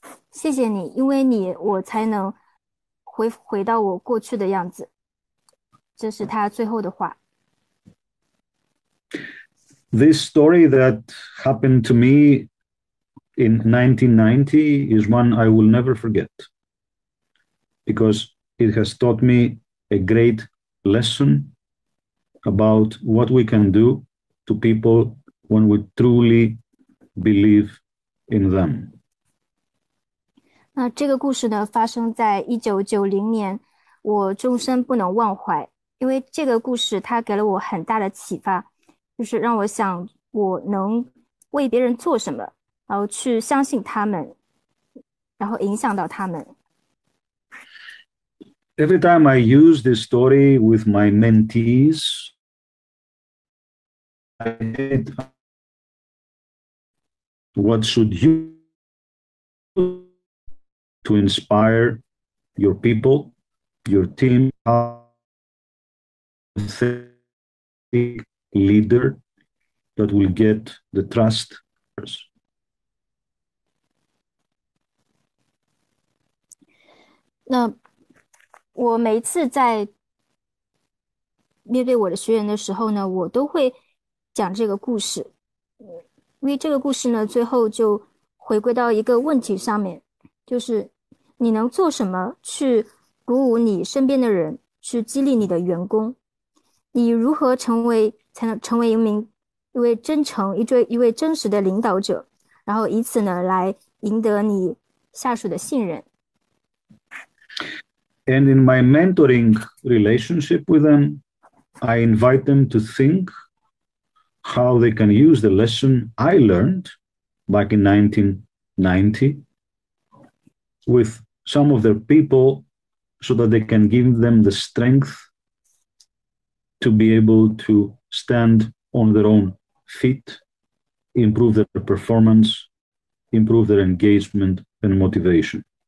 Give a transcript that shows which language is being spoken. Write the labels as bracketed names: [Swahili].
[Chinese] 谢谢你，因为你我才能回到我过去的样子。这是他最后的话。 [English] This story that happened to me in 1990 is one I will never forget because it has taught me a great lesson about what we can do to people when we truly believe in them. [Chinese] 那这个故事呢，发生在1990年，我终身不能忘怀，因为这个故事它给了我很大的启发，就是让我想我能为别人做什么，然后去相信他们，然后影响到他们。 [English] Every time I use this story with my mentees, I did what should you do to inspire your people, your team, how leader that will get the trust. [Chinese] 那我每次在面对我的学员的时候呢，我都会讲这个故事，因为这个故事呢，最后就回归到一个问题上面，就是你能做什么去鼓舞你身边的人，去激励你的员工？你如何成为才能成为一位真诚、一位真实的领导者，然后以此呢来赢得你下属的信任？ [English] And in my mentoring relationship with them, I invite them to think how they can use the lesson I learned back in 1990 with some of their people so that they can give them the strength to be able to stand on their own feet, improve their performance, improve their engagement and motivation.